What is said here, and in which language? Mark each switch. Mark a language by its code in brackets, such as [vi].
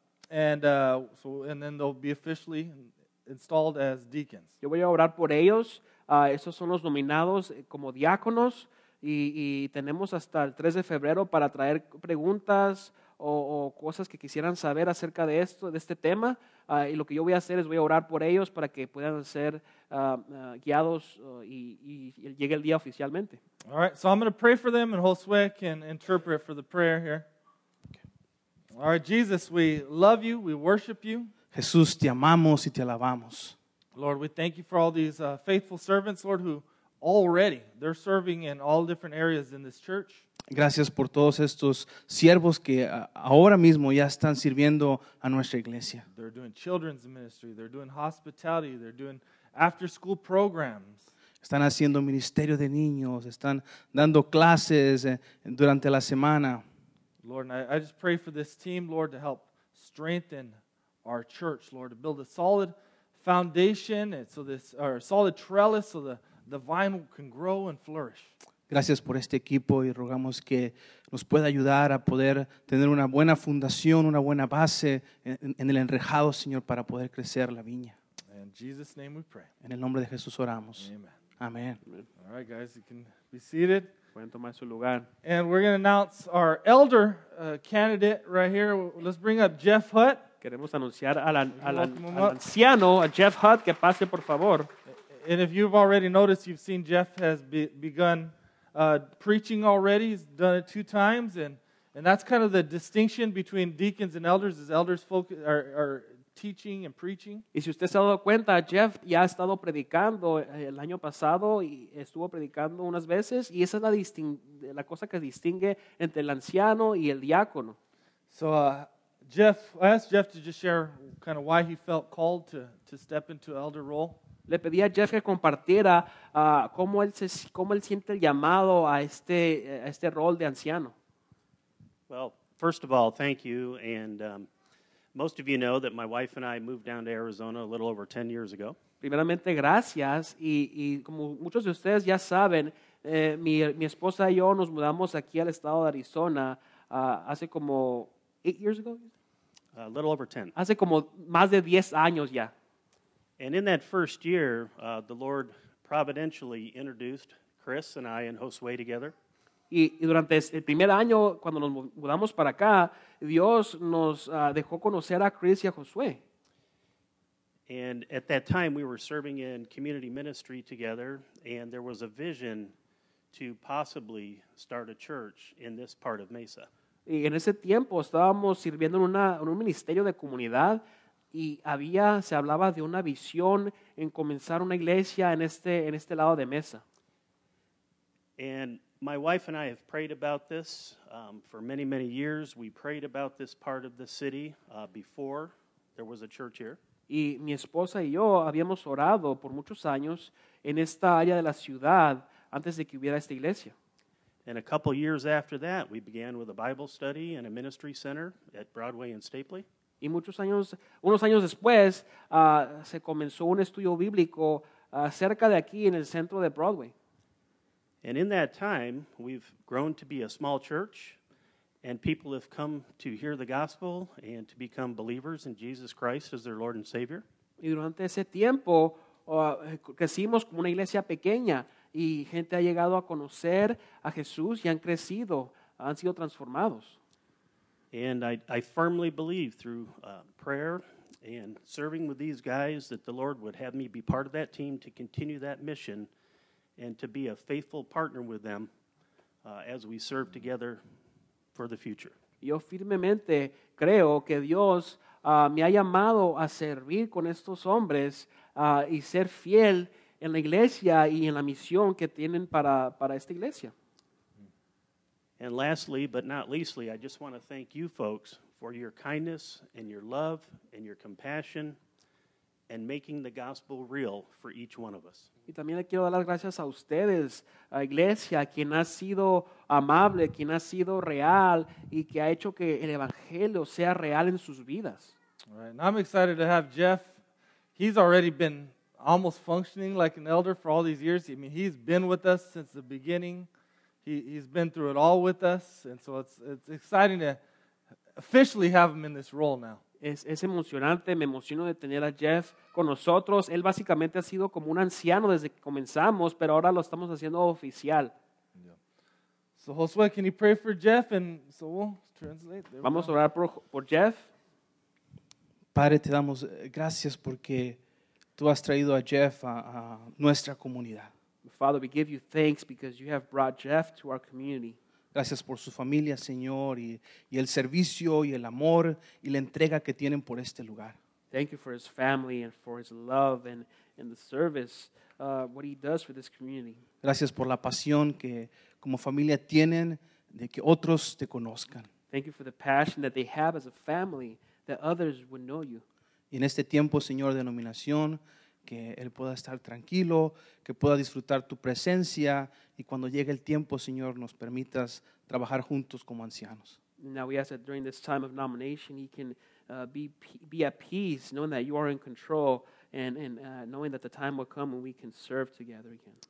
[en] And then they'll be officially installed as deacons. [es] Yo voy a orar por ellos. Esos son los nominados como diáconos. Y tenemos hasta el 3 de febrero para traer preguntas o cosas que quisieran saber acerca de esto, de este tema. Y lo que yo voy a hacer es voy a orar por ellos para que puedan ser guiados y llegue el día oficialmente. [en] All right, so I'm going to pray for them and Josue can interpret for the prayer here. Okay. All right, Jesus, we love you, we worship you. [es] Jesús, te amamos y te alabamos. [en] Lord, we thank you for all these faithful servants, Lord, who already they're serving in all different areas in this church. [es] Gracias por todos estos siervos que ahora mismo ya están sirviendo a nuestra iglesia. [en] They're doing children's ministry, they're doing hospitality, they're doing after school programs. [es] Están haciendo ministerio de niños, están dando clases durante la semana. [en] Lord, and I just pray for this team, Lord, to help strengthen our church, Lord, to build a solid foundation and so this or a solid trellis so the vine can grow and flourish. [es] Gracias por este equipo y rogamos que nos pueda ayudar a poder tener una buena fundación, una buena base en el enrejado, Señor, para poder crecer la viña. [en] In Jesus' name we pray. [es] En el nombre de Jesús oramos. Amen. Amen. [en] All right, guys, you can be seated. [es] Pueden tomar su lugar. [en] And we're going to announce our elder candidate right here. Let's bring up Jeff Hutt. [es] Queremos anunciar al anciano, a Jeff Hutt, que pase, por favor. [en] And if you've already noticed, you've seen Jeff has begun preaching already. He's done it two times. And that's kind of the distinction between deacons and elders, is elders focus are teaching and preaching. [es] Y si usted se ha dado cuenta, Jeff ya ha estado predicando el año pasado y estuvo predicando unas veces. Y esa es la cosa que distingue entre el anciano y el diácono. [en] So, Jeff, I asked Jeff to just share kind of why he felt called to step into elder role. [es] Le pedí a Jeff que compartiera cómo él siente el llamado a este rol de anciano. [en] Well, first of all, thank you. And most of you know that my wife and I moved down to Arizona a little over 10 years ago. [es] Primeramente, gracias. Y como muchos de ustedes ya saben, mi esposa y yo nos mudamos aquí al estado de Arizona hace como 8 [en] years ago. A little over 10. [es] Hace como más de 10 años ya. [en] And in that first year, the Lord providentially introduced Chris and I and Josue together. [es] Y durante el primer año, cuando nos mudamos para acá, Dios nos dejó conocer a Chris y a Josué. [en] And at that time, we were serving in community ministry together, and there was a vision to possibly start a church in this part of Mesa. [es] Y en ese tiempo, estábamos sirviendo en un ministerio de comunidad, y se hablaba de una visión en comenzar una iglesia en este lado de Mesa. [en] And my wife and I have prayed about this for many, many years. We prayed about this part of the city before there was a church here. [es] Y mi esposa y yo habíamos orado por muchos años en esta área de la ciudad antes de que hubiera esta iglesia. [en] And a couple years after that, we began with a Bible study and a ministry center at Broadway and Stapley. [es] Y unos años después, se comenzó un estudio bíblico cerca de aquí en el centro de Broadway. [en] And in that time, we've grown to be a small church, and people have come to hear the gospel and to become believers in Jesus Christ as their Lord and Savior. [es] Y durante ese tiempo, crecimos como una iglesia pequeña, y gente ha llegado a conocer a Jesús y han crecido, han sido transformados. [en] And I firmly believe through prayer and serving with these guys that the Lord would have me be part of that team to continue that mission and to be a faithful partner with them as we serve together for the future. [es] Yo firmemente creo que Dios me ha llamado a servir con estos hombres y ser fiel en la iglesia y en la misión que tienen para esta iglesia. [en] And lastly, but not leastly, I just want to thank you folks for your kindness and your love and your compassion and making the gospel real for each one of us. [es] Y también le quiero dar las gracias a ustedes, a Iglesia, quien ha sido amable, quien ha sido real y que ha hecho que el evangelio sea real en sus vidas. [en] All right, now I'm excited to have Jeff. He's already been almost functioning like an elder for all these years. I mean, he's been with us since the beginning. He's been through it all with us, and so it's exciting to officially have him in this role now. [es] Es emocionante, me emociono de tener a Jeff con nosotros. Él básicamente ha sido como un anciano desde que comenzamos, pero ahora lo estamos haciendo oficial. [en] Yeah. So Josué, can you pray for Jeff? And so we'll translate. There [es] vamos a orar por Jeff. Padre, te damos gracias porque tú has traído a Jeff a nuestra comunidad. [en] Father, we give you thanks because you have brought Jeff to our community. [es] Gracias por su familia, Señor, y el servicio y el amor y la entrega que tienen por este lugar. [en] Thank you for his family and for his love and the service, what he does for this community. [es] Gracias por la pasión que como familia tienen de que otros te conozcan. [en] Thank you for the passion that they have as a family that others would know you. [es] Y en este tiempo, Señor, de denominación, que él pueda estar tranquilo, que pueda disfrutar tu presencia y cuando llegue el tiempo, Señor, nos permitas trabajar juntos como ancianos. [en] Now we ask that during this time of nomination, he can be at peace, knowing that you are in control and knowing that the time will come when we can serve together again.